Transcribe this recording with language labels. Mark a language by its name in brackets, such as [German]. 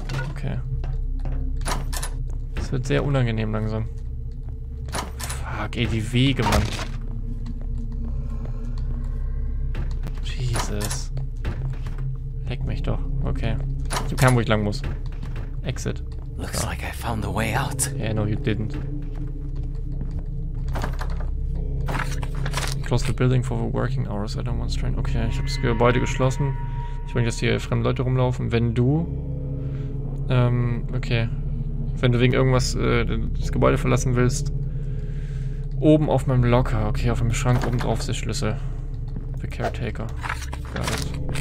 [German] Okay. Das wird sehr unangenehm langsam. Fuck, ey, die Wege, Mann. Jesus. Leck mich doch. Okay. Ich hab keinen, wo ich lang muss. [English] Exit. Looks like I found the way out. Yeah, no, you didn't. Close the building for the working hours. I don't want strain. [German] Okay, ich hab das Gebäude geschlossen. Ich will nicht, dass hier fremde Leute rumlaufen. Wenn du. Okay. Wenn du wegen irgendwas das Gebäude verlassen willst. Oben auf meinem Locker. Okay, auf dem Schrank oben drauf ist der Schlüssel. The Caretaker. [English] Got it.